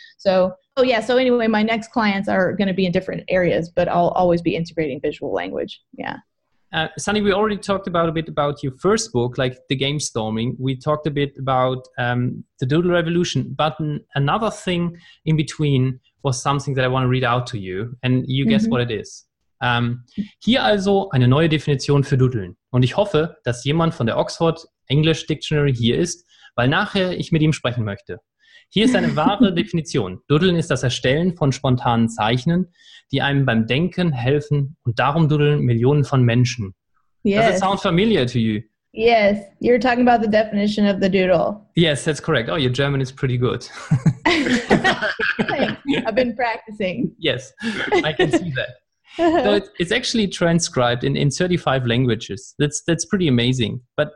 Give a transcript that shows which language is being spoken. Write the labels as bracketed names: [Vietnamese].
[English] So anyway, my next clients are going to be in different areas, but I'll always be integrating visual language. Yeah. Sunny, we already talked a bit about your first book, like The GameStorming. We talked a bit about the Doodle Revolution, but another thing in between was something that I want to read out to you, and you guess what it is. [German] Hier also eine neue Definition für Doodeln. Und ich hoffe, dass jemand von der Oxford English Dictionary hier ist, weil nachher ich mit ihm sprechen möchte. Hier ist eine wahre Definition. Doodeln ist das Erstellen von spontanen Zeichnen, die einem beim Denken helfen und darum doodeln Millionen von Menschen. [English] Yes. Does it sound familiar to you? Yes, you're talking about the definition of the doodle. Yes, that's correct. Oh, your German is pretty good. Thanks. I've been practicing. Yes, I can see that. So it's actually transcribed in 35 languages. That's pretty amazing. But